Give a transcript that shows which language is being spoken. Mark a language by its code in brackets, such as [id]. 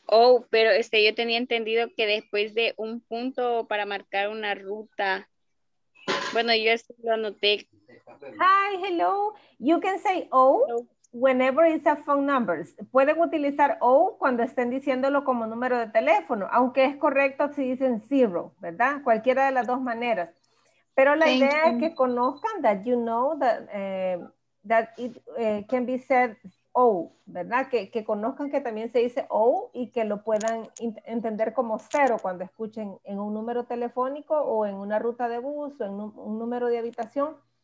[es] Oh, pero yo tenía entendido que después de un punto para marcar una ruta. Bueno, yo eso lo anoté. [en] Hi, hello. You can say oh whenever it's a phone number. [es] Pueden utilizar oh cuando estén diciéndolo como número de teléfono, aunque es correcto si dicen zero, ¿verdad? Cualquiera de las dos maneras. Pero la idea es que conozcan [en] that you know that that it can be said oh, [es] ¿verdad? Que conozcan que también se dice oh y que lo puedan entender como cero cuando escuchen en un número telefónico o en una ruta de bus o en un número de habitación.